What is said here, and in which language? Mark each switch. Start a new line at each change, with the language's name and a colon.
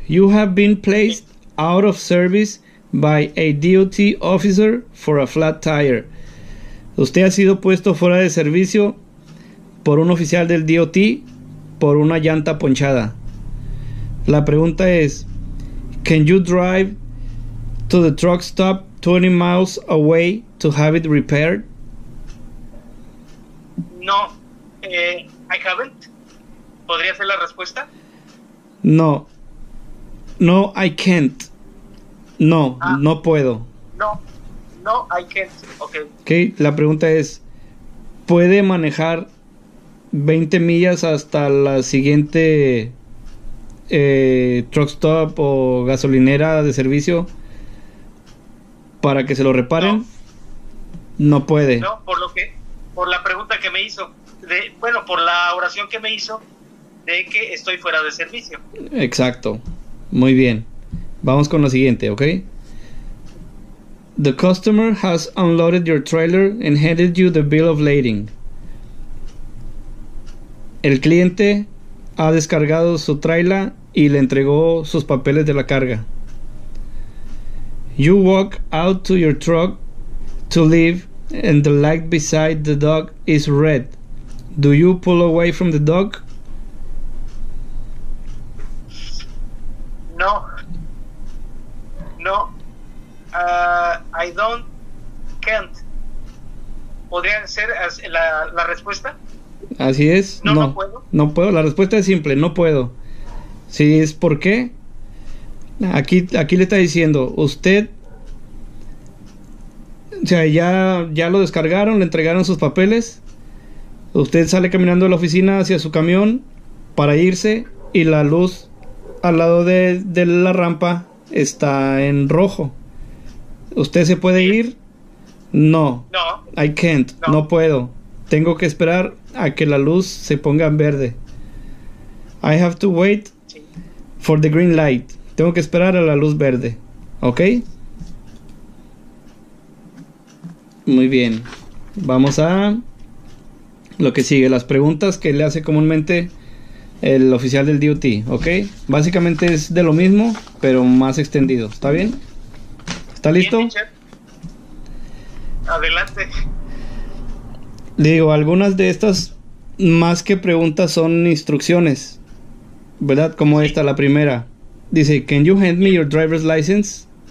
English: You have been placed out of service by a DOT officer for a flat tire.
Spanish: Usted ha sido puesto fuera de servicio por un oficial del DOT por una llanta ponchada. La pregunta es,
English: can you drive to the truck stop 20 miles away to have it repaired? No, I haven't.
Spanish: ¿Podría ser la respuesta?
English: No. No, I can't. No, ah,
Spanish: no puedo.
English: No, I can't.
Spanish: Okay, la pregunta es, ¿puede manejar 20 millas hasta la siguiente truck stop o gasolinera de servicio para que se lo reparen? No, no puede. No, ¿por lo qué? Por la pregunta que me hizo, de, bueno, por la oración que me hizo de que estoy fuera de servicio. Exacto, muy bien. Vamos con lo siguiente, ¿ok?
English: The customer has unloaded your trailer and handed you the bill of lading.
Spanish: El cliente ha descargado su trailer y le entregó sus papeles de la carga.
English: You walk out to your truck to leave. And the light beside the dog is red. Do you pull away from the dog? No. I can't.
Spanish: ¿Podría ser la respuesta? Así es. No puedo. No puedo. La respuesta es simple. No puedo. Si es por qué. Aquí le está diciendo. Usted. O sea, ya lo descargaron, le entregaron sus papeles. Usted sale caminando de la oficina hacia su camión para irse y la luz al lado de la rampa está en rojo. ¿Usted se puede ir? No. No.
English: I can't.
Spanish: No. No puedo. Tengo que esperar a que la luz se ponga en verde.
English: I have to wait for the green light.
Spanish: Tengo que esperar a la luz verde. ¿Ok? Muy bien, vamos a lo que sigue, las preguntas que le hace comúnmente el oficial del DOT, ¿ok? Básicamente es de lo mismo, pero más extendido, ¿está bien? ¿Está listo? Bien, adelante. Le digo, algunas de estas más que preguntas son instrucciones, ¿verdad? Como esta, la primera.
English: Dice, can you hand me your driver's license?